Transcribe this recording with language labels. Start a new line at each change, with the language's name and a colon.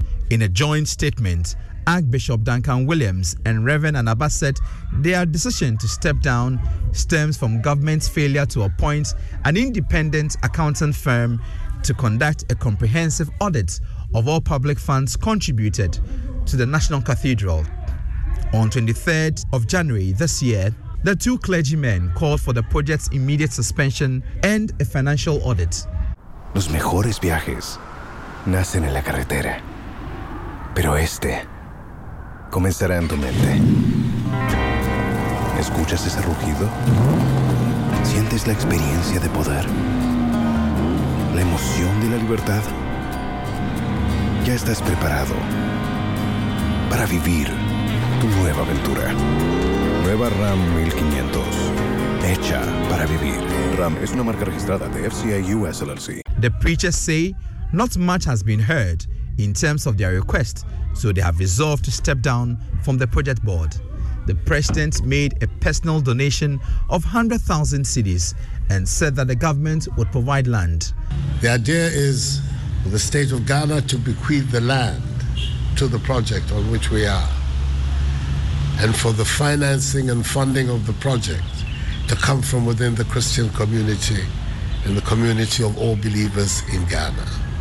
English: In a joint statement, Archbishop Duncan Williams and Reverend Anaba said their decision to step down stems from government's failure to appoint an independent accountant firm to conduct a comprehensive audit of all public funds contributed to the National Cathedral. On 23rd of January this year, the two clergymen called for the project's immediate suspension and a financial audit.
Spanish: Los mejores viajes nacen en la carretera, pero este comenzará en tu mente. ¿Escuchas ese rugido? ¿Sientes la experiencia de poder? ¿La emoción de la libertad? Ya estás preparado para vivir tu nueva aventura. Nueva Ram 1500. Hecha para vivir. Ram es una marca registrada de FCA US LLC.
English: The preachers say not much has been heard in terms of their request, so they have resolved to step down from the project board. The president made a personal donation of 100,000 cedis and said that the government would provide land. The idea is for the state of Ghana to bequeath the land to the project on which we are, and for the financing and funding of the project to come from within the Christian community and the community of all believers in Ghana.